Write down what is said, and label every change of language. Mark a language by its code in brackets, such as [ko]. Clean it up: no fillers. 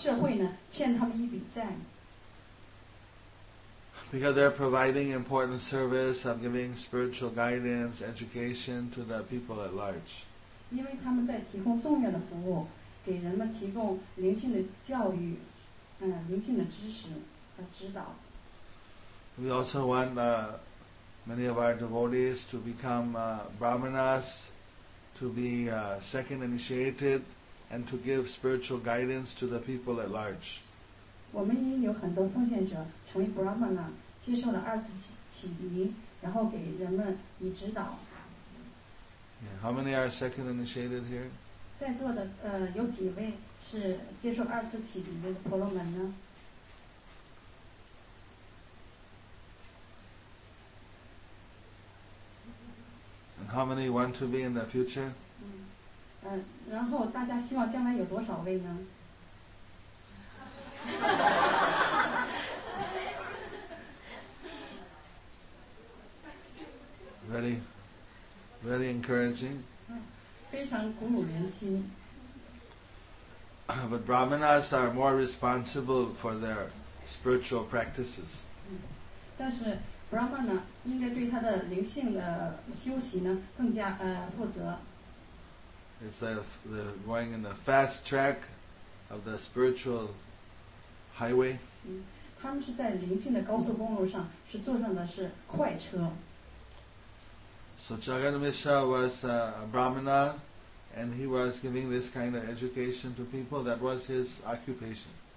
[zh] 对不起，是这个社会呢欠他们一笔债。 [en] Because they're providing important service of giving spiritual guidance, education to the people at large. [zh] 因为他们在提供重要的服务，给人们提供灵性的教育，灵性的知识和指导。 [en] We also want many of our devotees to become brahmanas, to be second initiated, and to give spiritual guidance to the people at large. [zh] 我们也有很多奉献者成为 brahmana。接受了二次洗礼，然后给人们以指导。Yeah, [en] how many are second initiated here? [zh] 在座的有几位是接受二次洗礼的婆罗门呢？ [en] And how many want to be in the future? [zh] 然后大家希望将来有多少位呢？ [en] Very, very encouraging. [zh] 非常鼓舞人心。 [en] But brahmanas are more responsible for their spiritual practices. [zh] 但是 brahmana 应该对他的灵性的修习呢更加负责。 [en] It's like they're going in the fast track of the spiritual highway. [zh] 他们是在灵性的高速公路上是坐上的是快车。 [en] So Jagat Mishra was a brahmana and he was giving this kind of education to people. That was his occupation.